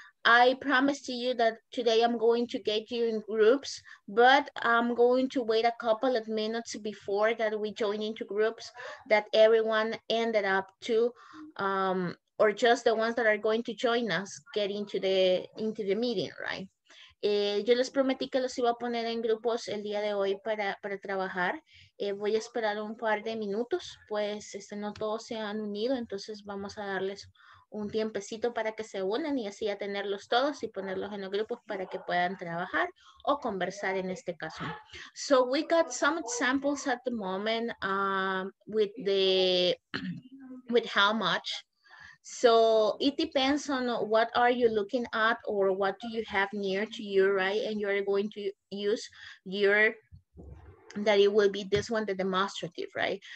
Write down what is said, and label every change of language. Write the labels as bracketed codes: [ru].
[en] I promised to you that today I'm going to get you in groups, but I'm going to wait a couple of minutes before that we join into groups that everyone ended up to, or just the ones that are going to join us get into the meeting, right? [es] Yo les prometí que los iba a poner en grupos el día de hoy para trabajar. Voy a esperar un par de minutos, pues no todos se han unido, entonces vamos a darles un tiempecito para que se unan y así a tenerlos todos y ponerlos en los grupos para que puedan trabajar o conversar en este caso. [en] So we got some examples at the moment with how much. So it depends on what are you looking at or what do you have near to you, right? And you're going to use your, that it will be this one, the demonstrative, right?